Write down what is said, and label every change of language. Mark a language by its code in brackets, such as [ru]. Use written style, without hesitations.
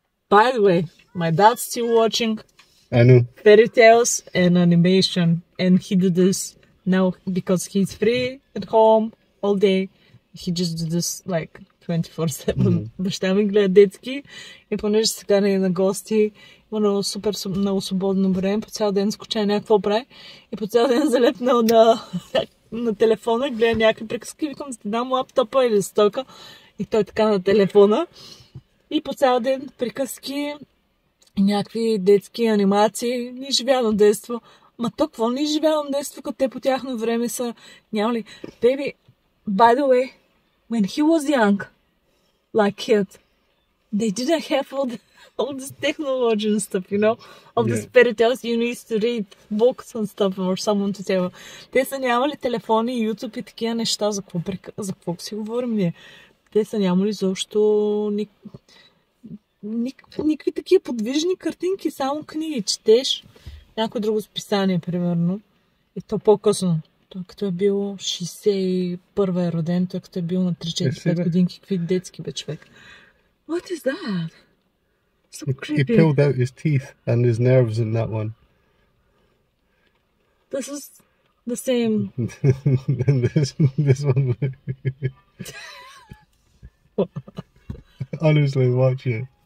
[en] By the way, my dad's still watching. I know. Fairy tales and animation. And he did this now because he's free at home all day. He just did this like 24/7. Mm-hmm. [bg] Баща ми гледа детски и понеже сега не е на гости, има много супер, много свободно време, по цял ден скуча някакво прави и по цял ден залепнал на телефона, гледа някакви приказки, викам да ти дам лаптопа или стока и той така на телефона и по цял ден приказки и някакви детски анимации, неживяно детство. Ма то, какво неживяно детство, като те по тяхно време са, няма ли? [en] Baby, by the way, when he was young, like kid, they didn't have all this technology and stuff, you know? All this fairy tales, you need to read books and stuff or someone to tell. [bg] Те са нямали телефони, YouTube и такива неща, за какво, за какво си говорим ние? Те са нямали защо никакви такива подвижни картинки, само книги четеш, някое друго списание, примерно. И то по-късно. Той като е бил 61-я е роден, той като е бил на 3-4-5 годинки, какви детски бе човек. [en] What is that? So creepy. He pulled out his teeth and his nerves in that one. This is the same. And this one. Honestly, watch it.